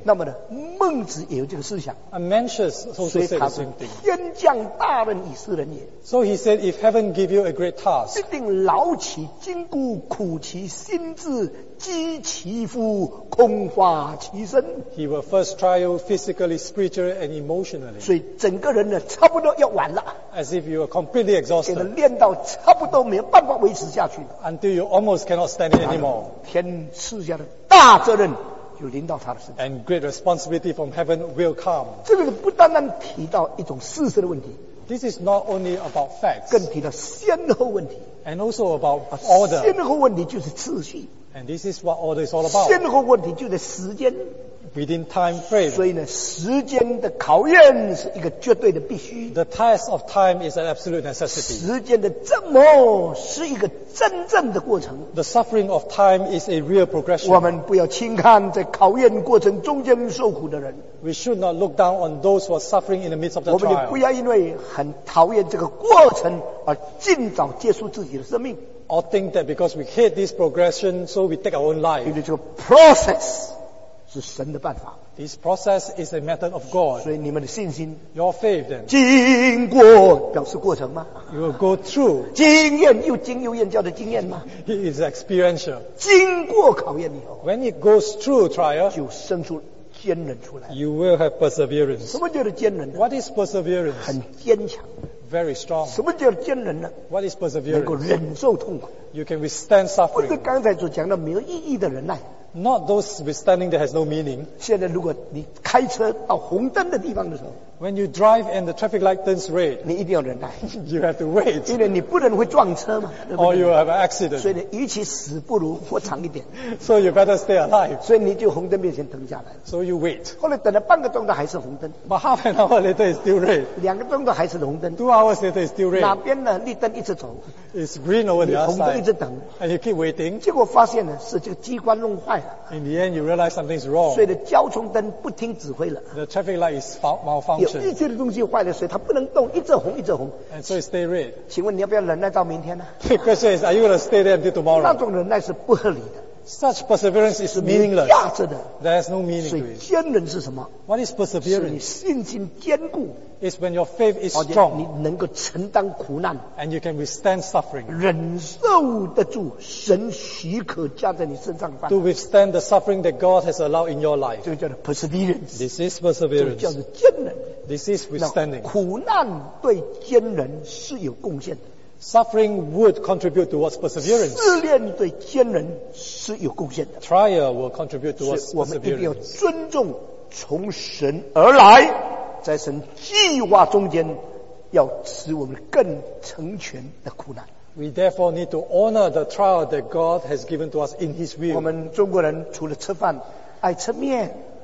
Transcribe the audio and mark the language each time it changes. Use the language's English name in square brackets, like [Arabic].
[Chinese] 那么呢，孟子也有这个思想 [English] ，and Mencius also said the same thing. [Chinese] 天降大任以斯人也 [English] ，so he said if heaven give you a great task, [Chinese] 必定劳其筋骨，苦其心志，饥其肤，空乏其身。 [English] He will first trial physically, spiritually, and emotionally. [Chinese] 所以整个人呢，差不多要完了。 [English] As if you are completely exhausted. [Chinese] 给他练到差不多没有办法维持下去了。 [English] Until you almost cannot stand it anymore. [Chinese] 天赐下的大责任就临到他的身上。 [English] And great responsibility from heaven will come. [Chinese] 这个不单单提到一种事实的问题。 [English] This is not only about facts. [Chinese] 更提到先后问题。 [English] And also about order. [Chinese] 先后问题就是次序。 [English] And this is what order is all about. [Chinese] 先后问题就是时间。 [English] Within time frame. [Chinese] 所以呢，时间的考验是一个绝对的必须。 [English] The test of time is an absolute necessity. [Chinese] 时间的折磨是一个真正的过程。 [English] The suffering of time is a real progression. [Chinese] 我们不要轻看在考验过程中间受苦的人。 [English] We should not look down on those who are suffering in the midst of the trial. [Chinese] 我们不要因为很讨厌这个过程而尽早结束自己的生命。 [English] Or think that because we hate this progression, so we take our own life. [Chinese] 因为这个 process 是神的办法。 [English] This process is a method of God. [Chinese] 所以你们的信心 [English] ，your faith then [Chinese] 经过表示过程吗 [English] ？You will go through [Chinese] 经验又经又验叫的经验吗 [English] ？It is experiential. [Chinese] 经过考验以后 [English] ，when it goes through trial， [Chinese] 就生出坚韧出来。 [English] You will have perseverance. [Chinese] 什么叫做坚韧 [English] ？What is perseverance？ [Chinese] 很坚强。 [English] Very strong. [Chinese] 什么叫坚韧呢 [English] ？What is perseverance? [Chinese] 能够忍受痛苦。 [English] You can withstand suffering. [Chinese] 不是刚才所讲的没有意义的忍耐。 [English] Not those withstanding that has no meaning. [Chinese] 现在如果你开车到红灯的地方的时候 [English] ，When you drive and the traffic light turns red, [Chinese] 你一定要忍耐。 [English] You have to wait. [Chinese] 因为你不能会撞车嘛。对不对 [English] Or you have an accident. [Chinese] 所以呢，与其死不如活长一点。 [English] So you better stay alive. [Chinese] 所以你就红灯面前等下来。 [English] So you wait. [Chinese] 后来等了半个钟头还是红灯。 [English] But half an hour later is still red. [Chinese] 两个钟头还是红灯。 [English] Two hours later is still red. [Chinese] 哪边呢？绿灯一直走。 [English] It's green over the other side. [Chinese] 红灯一直等。 [English] And you keep waiting. [Chinese] 结果发现呢，是这个机关弄坏了。 [English] In the end, you realize something is wrong. [Chinese] 所以呢，交通灯不听指挥了。 [English] The traffic light is malfunction. [Chinese] 有一些的东西坏了，所以它不能动，一直红，一直红。 [English] And so it stay red. [Chinese] 请问你要不要忍耐到明天呢 [English] ？The question is, are you going to stay there until tomorrow? [Chinese] 那种忍耐是不合理的。 [English] Such perseverance is meaningless. [Chinese] 压着的。 [English] There is no meaning to it. [Chinese] 所以坚韧是什么 [English] ？What is perseverance? [Chinese] 是你信心坚固。 [English] It's when your faith is strong. [Chinese] 你能够承担苦难。 [English] And you can withstand suffering. [Chinese] 忍受得住神许可加在你身上。 [English] To withstand the suffering that God has allowed in your life. [Chinese] 这个叫做 perseverance. [English] This is perseverance. [Chinese] 这个叫做坚韧。 [English] This is withstanding. [Chinese] 苦难对坚韧是有贡献的。 [English] Suffering would contribute towards perseverance. [Chinese] 试炼对坚韧是有贡献的。 [English] Trial will contribute towards perseverance. [Chinese] 所以我们一定要尊重从神而来，在神计划中间要使我们更成全的苦难。 [English] We therefore need to honor the trial that God has given to us in His will. [Chinese] 我们中国人除了吃饭，爱吃面。